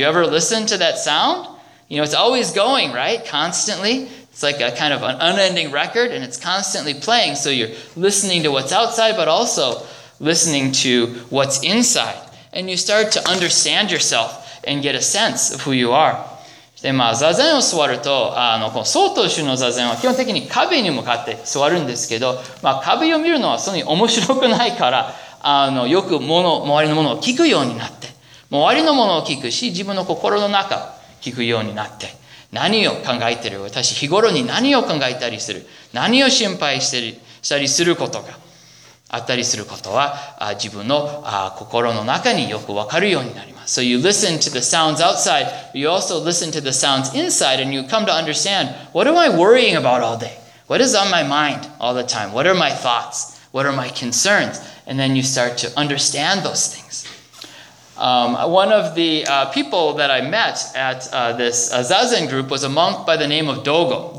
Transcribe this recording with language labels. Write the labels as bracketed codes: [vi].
[en] Do you ever listen to that sound? You know, it's always going, right? Constantly. It's like a kind of an unending record and it's constantly playing. So you're listening to what's outside, but also listening to what's inside. And you start to understand yourself. And get a sense of who you are. [ja] で、まあ、座禅を座ると、この曹洞宗の座禅は基本的に壁に向かって座るんですけど、まあ、壁を見るのはそんなに面白くないから、よく周りのものを聞くようになって、周りのものを聞くし、自分の心の中を聞くようになって、何を考えている、私日頃に何を考えたりする、何を心配したりすることがあったりすることは、自分の心の中によくわかるようになります。 [en] So you listen to the sounds outside, but you also listen to the sounds inside, and you come to understand, what am I worrying about all day? What is on my mind all the time? What are my thoughts? What are my concerns? And then you start to understand those things. One of the people that I met at this Zazen group was a monk by the name of Dogo.